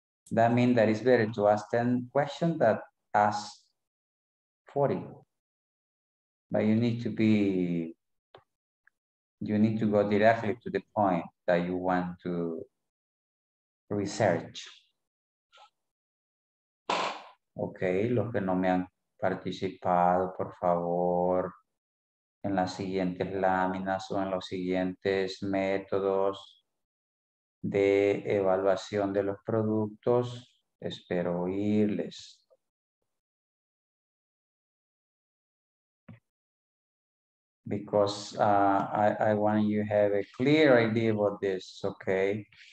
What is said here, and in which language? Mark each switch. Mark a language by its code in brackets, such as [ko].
[en] That means that it's better to ask 10 questions than ask 40. But you need to go directly to the point that you want to research. [es] Okay, los que no me han participado, por favor, en las siguientes láminas o en los siguientes métodos de evaluación de los productos, espero oírles. [en] Because I want you to have a clear idea about this, okay?